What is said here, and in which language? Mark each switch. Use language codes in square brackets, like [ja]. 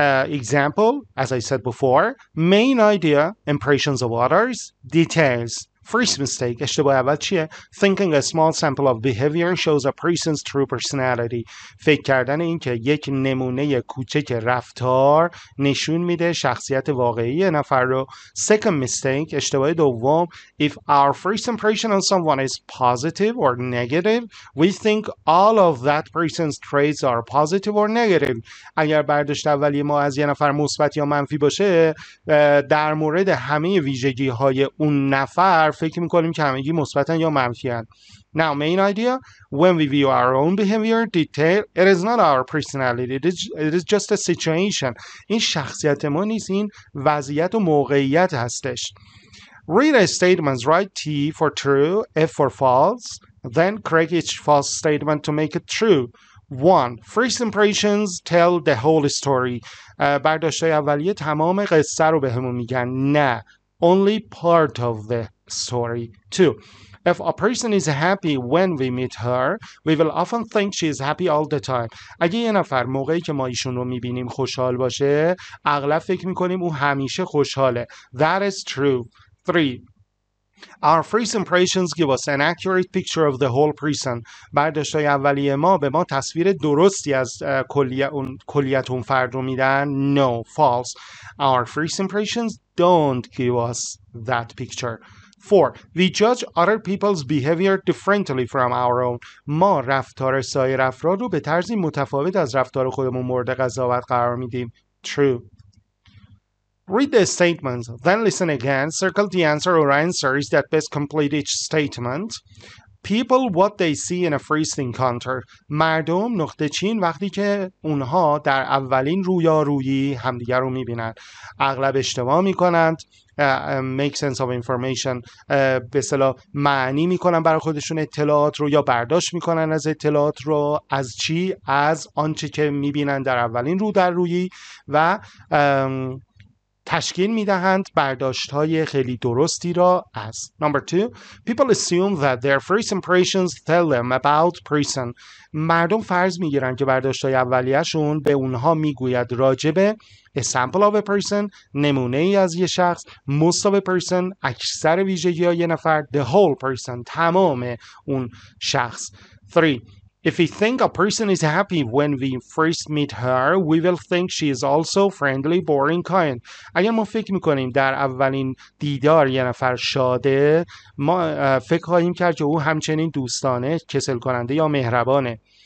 [en] Example, as I said before, main idea, impressions of others, details, First mistake, [fa] اشتباه اول چیه؟ [en] Thinking a small sample of behavior shows a person's true personality. [fa] فکر کردن این که یک نمونه کوچک رفتار نشون میده شخصیت واقعی نفر رو. [en] Second mistake, [fa] اشتباه دوم. [en] If our first impression on someone is positive or negative, we think all of that person's traits are positive or negative. [fa] اگر برداشت اولی ما از یه نفر مثبت یا منفی باشه، در مورد همه ویژگی های اون نفر فکر میکنیم که همگی مثبتن یا منفین. [en] Now main idea, when we view our own behavior detail, it is not our personality, it is just a situation. [fa] این شخصیت ما نیست، این وضعیت و موقعیت هستش. [en] Read a statement, write T for true, F for false, then correct each false statement to make it true. One, first impressions tell the whole story. [fa] برداشت‌های اولیه تمام قصه رو به همون میگن. نه، [en] only part of the story. Two, if a person is happy when we meet her, we will often think she is happy all the time. [fa] اگه یه نفر موقعی که ما ایشون رو میبینیم خوشحال باشه، اغلب فکر میکنیم او همیشه خوشحاله. [en] That is true. Three, our first impressions give us an accurate picture of the whole person. [fa] برداشت‌های اولیه ما به ما تصویر درستی از کلیت اون فرد رو میدن. [en] No, false. Our first impressions don't give us that picture. 4. We judge other people's behavior differently from our own. [fa] ما رفتار سایر افراد رو به طرزی متفاوت از رفتار خودمون مورد قضاوت قرار میدیم. [en] True. Read the statements, then listen again, circle the answer or answers that best complete each statement. People what they see in a first encounter. [fa] مردم نقطه چین وقتی که اونها در اولین رویارویی همدیگر رو میبینن. اغلب اشتباه میکنند. [en] Make sense of information. [fa] به اصطلاح معنی میکنن برای خودشون اطلاعات رو یا برداشت میکنن از اطلاعات رو. از چی؟ از آنچه که میبینن در اولین رو در رویی و تشکیل میدهند برداشت های خیلی درستی را از. [en] Number two, people assume that their first impressions tell them about person. [fa] مردم فرض میگیرن که برداشت های اولیهشون به اونها میگوید راجبه. [en] A sample of a person, [fa] نمونه ای از یه شخص. [en] Most of a person, [fa] اکثر ویژگی های یه نفر. [en] The whole person, [fa] تمام اون شخص. [en] Three, if we think a person is happy when we first meet her, we will think she is also friendly, boring, kind. [fa] اگر ما فکر میکنیم در اولین دیدار یه نفر شاده، ما فکر خواهیم کرد که او همچنین دوستانه، کسل کننده یا مهربانه.